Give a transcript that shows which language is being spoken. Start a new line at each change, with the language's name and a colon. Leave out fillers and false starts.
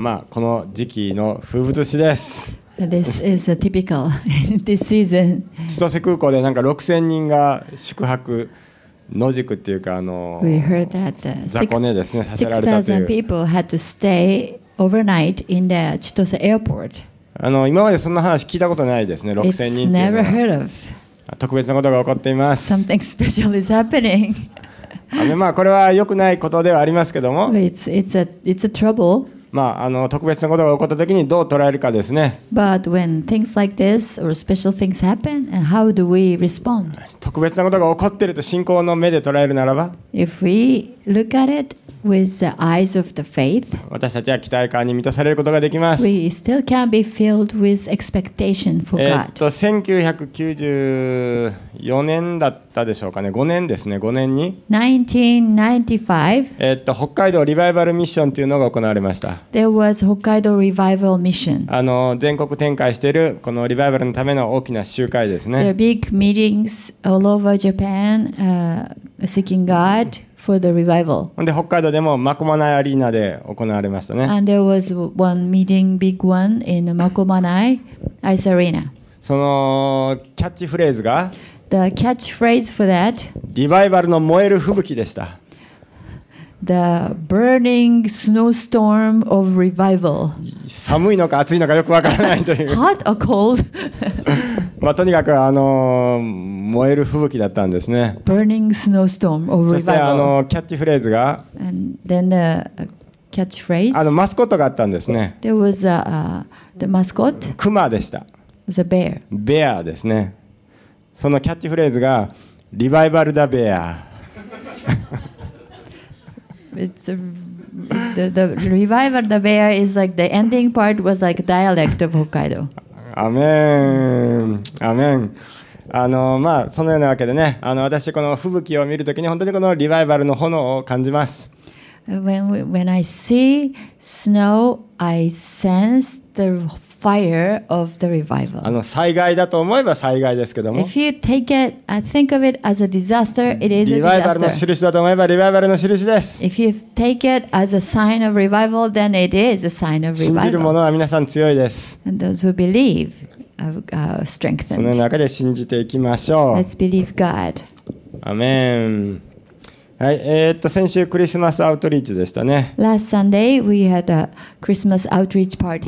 Japanese: この時期の風物詩です。
English: This is a typical this season.
Japanese: 千歳空港でなんか6000人が宿泊。野宿っていうか
English: We heard that the
Japanese: 雑魚寝ですね、させられたという。
English: 6,000 people had to stay overnight in the Chitose airport.
Japanese: 今までそんな話聞いたことないですね、6,000 人っていうのは。
English: It's never heard of.
Japanese: 特別なことが起こっています。
English: Something special is happening.
Japanese: これは良くないことではありますけども。
English: It's a trouble.
Japanese: 特別なことが起こったときにどう捉えるかですね。
English: But when things like this or special things happen, and how do we respond?
Japanese: 特別なことが起こっていると信仰の目で捉えるならば、
English: If we look at it with the eyes of the faith,
Japanese: 私たちは期待感に満たされることができます。
English: We still can be filled with expectation for God.
Japanese: 1994年だったでしょうかね、5年ですね、5年に。 1995。北海道リバイバルミッションというのが行われました。
English: There was Hokkaido Revival Mission.
Japanese: 全国展開しているこのリバイバルのための大きな集会ですね。
English: There are big meetings all over Japan, seeking God for the revival.
Japanese: で北海道でもマコマナイアリーナで行われましたね。
English: And there was one meeting, big one in Makomanai Ice Arena.
Japanese: そのキャッチフレーズが
English: The catchphrase for that.
Japanese: リバイバルの燃える吹雪でした。
English: The burning snowstorm of revival.
Japanese: 寒いのか暑いのかよくわからないという。
English: Hot or cold?
Japanese: とにかく燃える吹雪だったんですね。
English: Burning snowstorm of revival.
Japanese: そしてキャッチフレーズが。
English: And then the catchphrase.
Japanese: マスコットがあったんですね。
English: There was a the mascot.
Japanese: クマでした。
English: It was a bear.
Japanese: ベアですね。そのキャッチフレーズがリバイバルだベア。
English: It's the revival the bear is like the ending part was like dialect of Hokkaido. Amen. Amen.
Japanese: そのようなわけでね、私この吹雪を見るときに本当にこのリバイバルの炎を感じます。
English: When I see snow, I sense the fire of the revival.
Japanese: 災害だと思えば災害ですけども。
English: If you take it, I think of it as a disaster. It is a disaster.
Japanese: リバイバルの印だと思えばリバイバルの印です。
English: If you take it as a sign of revival, then it is a sign of revival.
Japanese: 信じる者は皆さん強いです。
English: And those who believe are strengthened.
Japanese: その中で信じていきましょう。
English: Let's believe God. Amen.
Japanese: はい、先週クリスマスアウトリーチでしたね。
English: Last Sunday we had a Christmas outreach party.